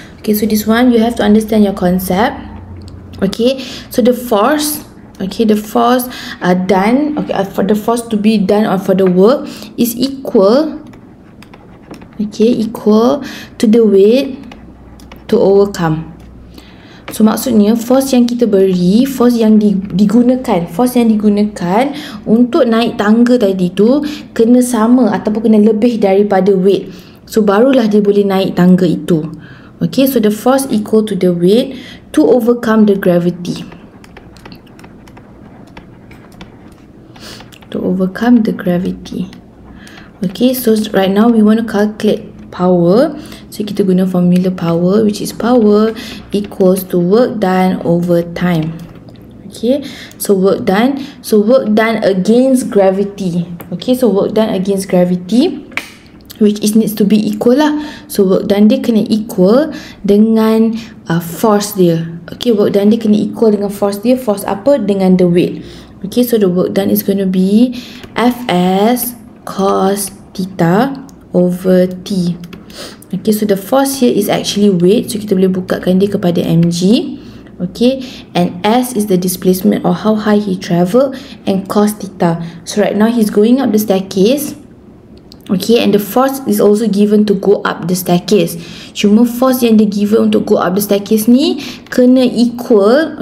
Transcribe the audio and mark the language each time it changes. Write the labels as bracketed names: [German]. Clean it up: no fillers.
[English] Okay, so this one, you have to understand your concept. Okay, so the force... Okay, the force done, okay, for the force to be done or for the work is equal, okay, equal to the weight to overcome. [Malay] So, maksudnya, force yang kita beri, force yang digunakan, force yang digunakan untuk naik tangga tadi tu kena sama ataupun kena lebih daripada weight. So, barulah dia boleh naik tangga itu. [English] Okay, so the force equal to the weight to overcome the gravity. To overcome the gravity. Okay, so right now we want to calculate power. So [Malay] kita guna [English] formula power, which is power equals to work done over time. Okay, so work done. So work done against gravity. Okay, so work done against gravity, which is needs to be equal lah. So work done [Malay] dia kena [English] equal dengan force dia. Okay, work done [Malay] dia kena [English] equal dengan force dia. [Malay] Force apa? Dengan [English] the weight. Okay, so the work done is going to be Fs cos theta over T. Okay, so the force here is actually weight. [Malay] So, kita boleh bukakan dia kepada mg. [English] Okay, and S is the displacement or how high he traveled and cos theta. So, right now he's going up the staircase. Okay, and the force is also given to go up the staircase. [Malay] Cuma [English] force yang dia given untuk go up the staircase ni kena equal.